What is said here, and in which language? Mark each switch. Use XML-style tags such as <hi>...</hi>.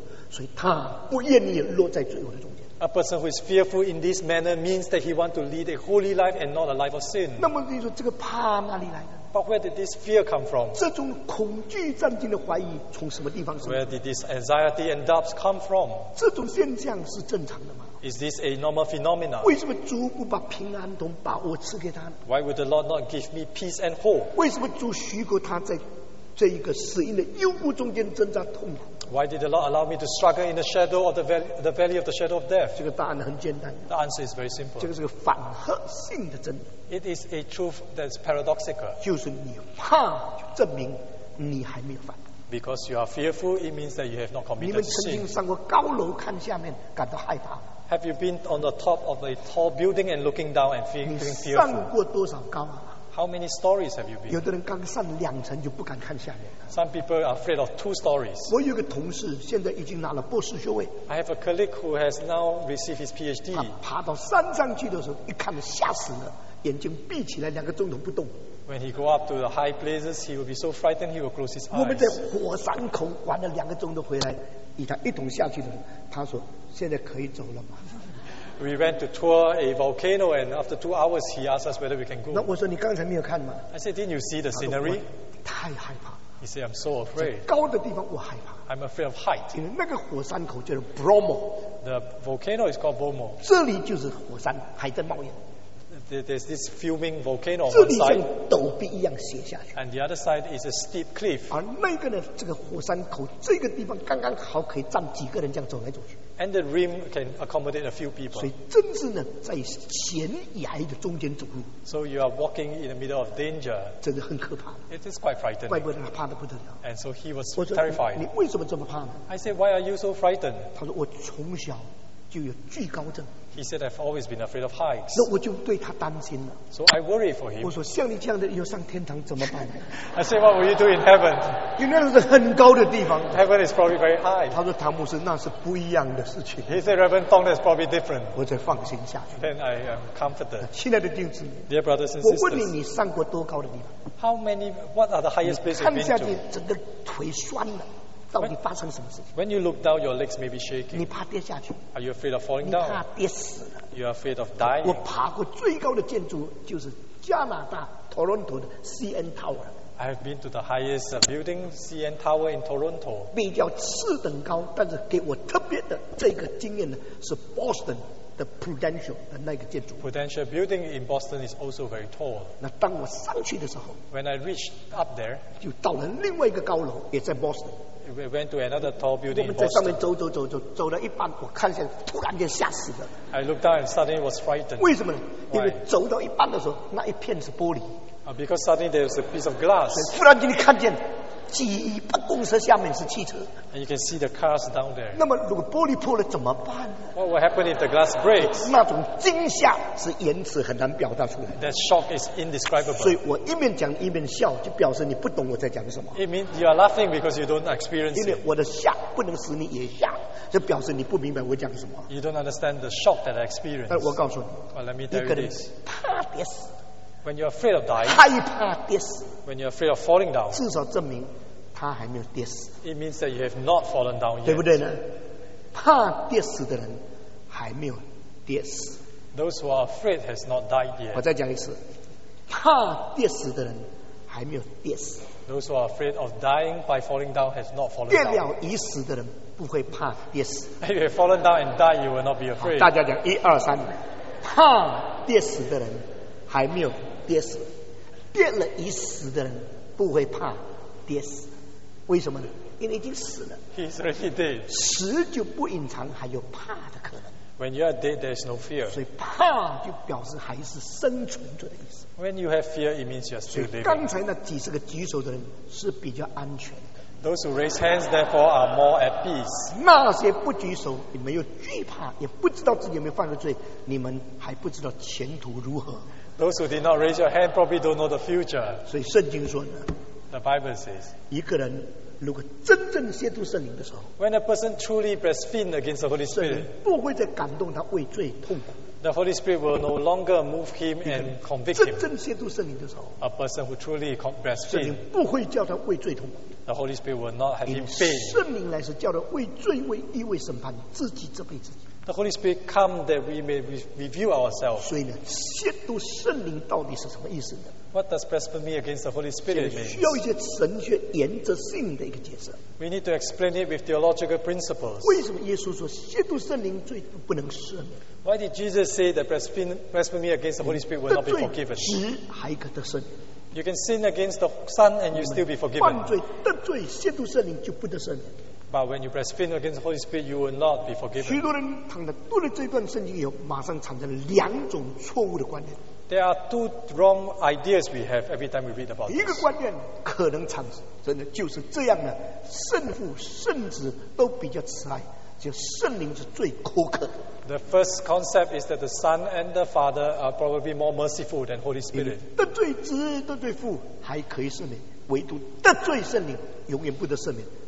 <zh>一个人怕我会不会亵渎圣灵，我是不是已经亵渎圣灵，这表示他愿意过一个更圣洁的生活，所以他不愿意落在罪恶的中间。</zh> <en>A person who is fearful in this manner means that he wants to lead a holy life and not a life of sin.</en> <zh>那么你说这个怕哪里来的？</zh> <en>But where did this fear come from?</en> <zh>这种恐惧战惊的怀疑从什么地方生?</zh> <en>Where did this anxiety and doubts come from?</en> <zh>这种现象是正常的吗?</zh> <en>Is this a normal phenomenon?</en> <zh>为什么主不把平安同把握赐给他?</zh> <en>Why would the Lord not give me peace and hope?</en> <zh>为什么主许过他在这一个死荫的幽谷中间挣扎痛苦。</zh> <en>Why did the Lord allow me to struggle in the shadow of the valley of the shadow of death?</en> <zh>这个答案很简单。</zh> <en>The answer is very simple.</en> <zh>这个是个反合性的真理。</zh> <en>It is a truth that's paradoxical.</en> <zh>就是你怕，就证明你还没有犯。</zh> <en>Because you are fearful, it means that you have not committed sin.</en> <zh>你们曾经上过高楼看下面，感到害怕。</zh> <en>Have you been on the top of a tall building and looking down and feeling fearful?</en> <zh>你上过多少高啊？</zh> <en>How many stories have you been?</en> <zh>有的人刚上两层就不敢看下面。</zh> <en>Some people are afraid of two stories.</en> <zh>我有个同事现在已经拿了博士学位。</zh> <en>I have a colleague who has now received his PhD.</en> <zh>他爬到山上去的时候，一看吓死了，眼睛闭起来两个钟头不动。</zh> <en>When he go up to the high places, he will be so frightened he will close his eyes.</en> <zh>我们在火山口玩了两个钟头回来，以他一同下去的时候，他说现在可以走了吗？</zh> <en>We went to tour a volcano and after 2 hours he asked us whether we can go.</en> <zh>那我说你刚才没有看吗？</zh> <en>I said, didn't you see the scenery?</en> <zh>太害怕。</zh> <en>He said, I'm so afraid.</en> <zh>高的地方我害怕。</zh> <en>I'm afraid of height.</en> <zh>因为那个火山口叫 Bromo.</zh> <en>The volcano is called Bromo.</en> <zh>这里就是火山还在冒烟。</zh> <en>There's this fuming volcano on one side.</en> <zh>陡壁一样斜下去。</zh> <en>And the other side is a steep cliff.</en> <zh>而那个呢，这个火山口这个地方刚刚好可以站几个人这样走来走去。</zh> <en>And the rim can accommodate a few people.</en> <zh>所以真是呢，在险崖的中间走路。</zh> <en>So you are walking in the middle of danger.</en> <zh>真的很可怕。</zh> <en>It is quite frightening.</en> <zh>怪不得他怕得不得了。</zh> <en>And so he was terrified.</en> <zh>你为什么这么怕呢？</zh> <en>I said, why are you so frightened?</en> <zh>他说我从小就有惧高症。</zh> <en>He said, I've always been afraid of heights.</en> <zh>那我就对他担心了。</zh> <en>So I worry for him.</en> <zh>我说像你这样的要上天堂怎么办？</zh> <en>I said, what will you do in heaven?</en> <zh>因为那是很高的地方。</zh> <en>Heaven is probably very high.</en> <zh>他说唐牧师那是不一样的事情。</zh> <en>He said, Reverend Tong, that's probably different.</en> <zh>我才放心下去。</zh> <en>Then I am confident.</en> <zh>亲爱的弟兄姊妹。</zh> <en>Dear brothers and sisters.</en> <zh>我问你，你上过多高的地方？</zh> <en>How many, what are the highest places you've been to?</en> <zh>看下去整个腿酸了。到底发生什么事情？</zh> <en>When you look down, your legs may be shaking.</en> <zh>你怕跌下去？</zh> <en>Are you afraid of falling down?</en> <zh>你怕跌死了？</zh> <en>You are afraid of dying.</en> <zh>我爬过最高的建筑就是加拿大 Toronto 的 CN Tower.</zh> <en>I have been to the highest building, CN Tower in Toronto.</en> <zh>比较次等高，但是给我特别的这个经验呢，是 Boston 的 Prudential 的那个建筑。</zh> <en>Prudential Building in Boston is also very tall.</en> <zh>那当我上去的时候</zh> <en>，When I reached up there,</en> <zh>就到了另外一个高楼，也在 Boston。</zh> <en>We went to another tall building.</en> <zh>我们在上面走走走走，走了一半，我看见突然间吓死了。</zh> <en>I looked down and suddenly was frightened.</en> <zh>为什么呢？</zh> <en>Why?</en> <zh>因为走到一半的时候，那一片是玻璃。</zh> <en>Because suddenly there is a piece of glass.</en> <zh>突然间你看见几百公尺下面是汽车。</zh> <en>And you can see the cars down there.</en> <zh>那么如果玻璃破了怎么办？</zh> <en>What will happen if the glass breaks?</en> <zh>那种惊吓是言辞很难表达出来的。</zh> <en>That shock is indescribable.</en> <zh>所以我一面讲一面笑，就表示你不懂我在讲什么。</zh> <en>It means you are laughing because you don't experience it.</en> <zh>因为我的吓不能使你也吓，就表示你不明白我讲什么。</zh> <en>You don't understand the shock that I experience.</en> <zh>但我告诉你，</zh> <en>well, let me tell you this.</en> <zh>怕跌死。</zh> <en>When you're afraid of dying,</en> <zh>害怕跌死。</zh> <en>When you're afraid of falling down,</en> <zh>至少证明他还没有跌死。</zh> <en>It means that you have not fallen down yet.</en> <zh>对不对呢？怕跌死的人还没有跌死。</zh> <en>Those who are afraid has not died yet.</en> <zh>我再讲一次，怕跌死的人还没有跌死。</zh> <en>Those who are afraid of dying by falling down has not fallen down.</en> <zh>跌了已死的人不会怕跌死。</zh> <en>If you have fallen down and died, you will not be afraid.</en> <zh>大家讲一二三，怕跌死的人。还没有跌死，跌了已死的人不会怕跌死，为什么呢？因为已经死了。</zh> <en>He's already dead.</en> <zh>死就不隐藏还有怕的可能。</zh> <en>When you are dead, there's no fear.</en> <zh>所以怕就表示还是生存着的意思。</zh> <en>When you have fear, it means you're still living.</en> <zh>刚才那几十个举手的人是比较安全的。</zh> <en>Those who raise hands, therefore, are more at peace.</en> <zh>那些不举手，你们又惧怕，也不知道自己有没有犯过罪，你们还不知道前途如何。</zh> <en>Those who did not raise your hand probably don't know the future.</en> <zh>所以圣经说呢，</zh> <en>The Bible says,</en> <zh>一个人如果真正亵渎圣灵的时候，</zh> <en>When a person truly blasphemes against the Holy Spirit,</en> <zh>圣灵不会再感动他为罪痛苦。</zh> <en>The Holy Spirit will no longer move him and convict him.</en> <zh>真正亵渎圣灵的时候，</zh> <en>A person who truly blasphemes,</en> <zh>圣灵不会叫他为罪痛苦。</zh> <en>The Holy Spirit will not have him pain.</en> <zh>圣灵来是叫他为罪为义为审判自己这辈子。</zh> <en>The Holy Spirit come that we may review ourselves.</en> <zh>所以呢，亵渎圣灵到底是什么意思呢？</zh> <en>What does blasphemy against the Holy Spirit mean?</en> <zh>需要一些神学原则性的一个解释。</zh> <en>We need to explain it with theological principles.</en> <zh>为什么耶稣说亵渎圣灵罪不能赦免？</zh> <en>Why did Jesus say that blasphemy against the Holy Spirit will not be forgiven?</en> <zh>得罪只还可得赦免。</zh> <en>You can sin against the Son and you still be forgiven.</en> <zh>犯罪, 得罪, 亵渎圣灵, 就不得赦免。</zh> <en>But when you blaspheme against the Holy Spirit, you will not be forgiven.</en> <zh>许多人躺在读了这段圣经以后, 马上产生了两种错误的观念。</zh> <en>There are two wrong ideas we have every time we read about this.</en> <zh>第一个观念可能产生的就是这样的, 圣父, 圣子, 都比较慈爱, 就圣灵是最苛刻。</zh> <en>The first concept is that the Son and the Father are probably more merciful than Holy Spirit.</en> <zh>得罪子, 得罪父, 还可以赦免, 唯独得罪圣灵, 永远不得赦免。</zh>